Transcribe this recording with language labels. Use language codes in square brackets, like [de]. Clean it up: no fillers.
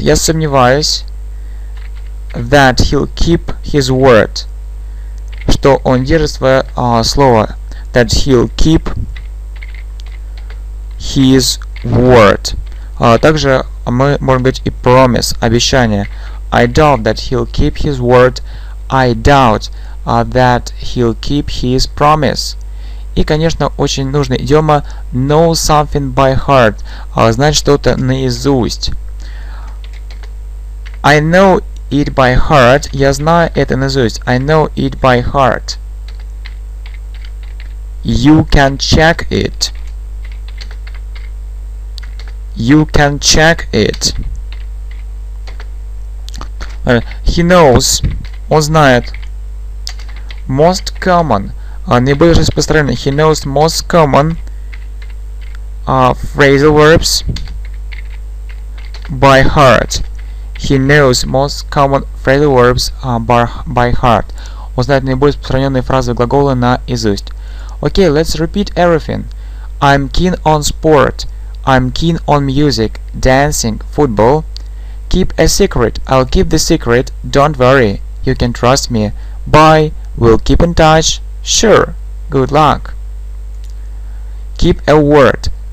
[ru] Я сомневаюсь. [en] That he'll keep his word. [ru] Что он держит свое слово. [en] That he'll keep his word. [ru] Также мы можем говорить и promise. Обещание. [en] I doubt that he'll keep his word. I doubt that he'll keep his promise. [ru] И, конечно, очень нужный идиома [en] know something by heart. [ru] Знать что-то наизусть. [en] I know it by heart. [ru] Я знаю это наизусть. [en] I know it by heart. You can check it. You can check it. He knows. [ru] Он знает. [en] Most common, [ru] наиболее распространенный. [en] He knows most common phrasal verbs by heart. He knows most common phrasal verbs by heart. [ru] Он знает наиболее распространенные фразы глагола наизусть. [en] Okay, let's repeat everything. I'm keen on sport. I'm keen on music, dancing, football. Keep a secret. I'll keep the secret. Don't worry. You can trust me. Bye. We'll keep in touch. Sure. Good luck. Keep a word.